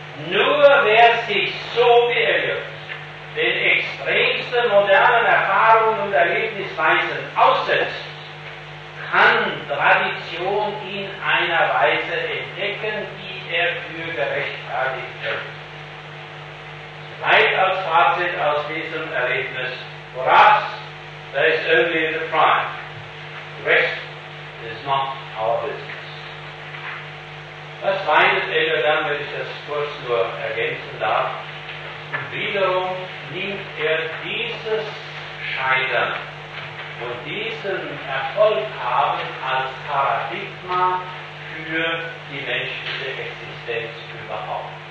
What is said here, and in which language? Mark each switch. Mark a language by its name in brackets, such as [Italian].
[German] Nur wer sich so beirrt, den extremsten modernen Erfahrungen und Erlebnisweisen aussetzt, kann Tradition in einer Weise entdecken, die er für gerechtfertigt hält. Vielleicht als Fazit aus diesem Erlebnis, [English] for us, there is only the prime. The rest is not our business. [German] Das meint er dann, wenn ich das kurz nur ergänzen darf, wiederum nimmt er dieses Scheitern und diesen Erfolg haben als Paradigma für die menschliche Existenz überhaupt.